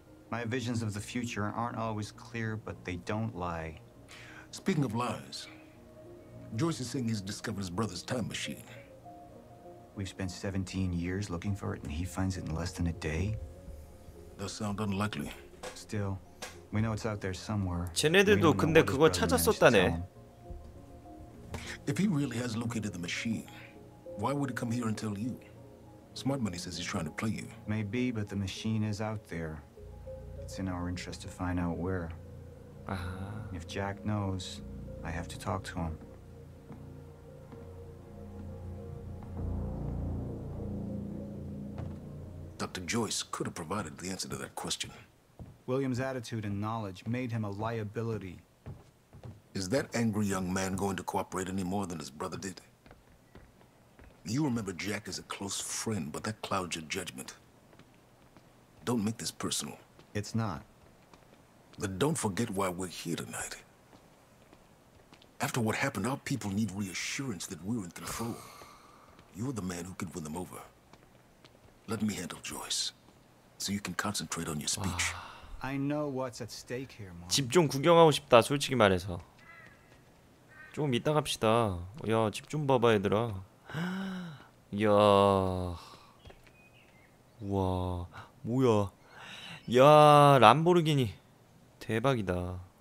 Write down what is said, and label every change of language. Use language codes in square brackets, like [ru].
[en] My visions of the future aren't always clear, but they don't lie. Speaking of lies, Joyce is saying he's discovered his brother's time machine. We've spent 17 years looking for it, and he finds it in less than a day? Does sound unlikely. Still, we know it's out there somewhere. [ko] 쟤네들도 근데 그거 찾았었다네. [en] If he really has located the machine, why would he come here and tell you? Smart Money says he's trying to play you. Maybe, but the machine is out there. It's in our interest to find out where. If Jack knows, I have to talk to him. Dr. Joyce could have provided the answer to that question. William's attitude and knowledge made him a liability. Is that angry young man going to cooperate any more than his brother did? You remember Jack as a close friend, but that clouds your judgment. Don't make this personal. It's not. But don't forget why we're here tonight. After what happened, our people need reassurance that we're in control. You're the man who could win them over. Let me handle Joyce, so you can concentrate on your speech. I know what's at stake here, Mark. [ko] 집 좀 구경하고 싶다, 솔직히 말해서. 조금 이따 갑시다. 야, 집 좀 봐봐, 얘들아. 야, 우와, 뭐야? 야, 람보르기니, 대박이다.